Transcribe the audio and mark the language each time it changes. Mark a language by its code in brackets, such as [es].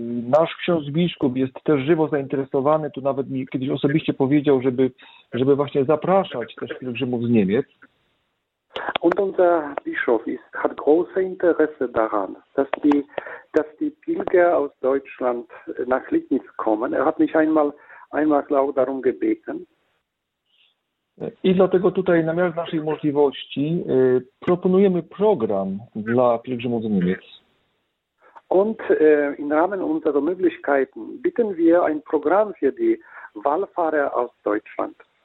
[pl] Nasz ksiądz biskup jest też żywo zainteresowany, tu nawet mi kiedyś osobiście powiedział, żeby właśnie zapraszać też pielgrzymów z Niemiec. [de] Und unser Bischof hat große Interesse daran, dass die Pilger aus Deutschland nach Legnitz kommen. Er hat mich einmal auch darum gebeten. [pl] I dlatego tutaj na miarę naszej możliwości proponujemy program dla pielgrzymów z Niemiec. [de] Und in Rahmen unserer Möglichkeiten bieten wir ein Programm für die Wallfahrer aus Deutschland.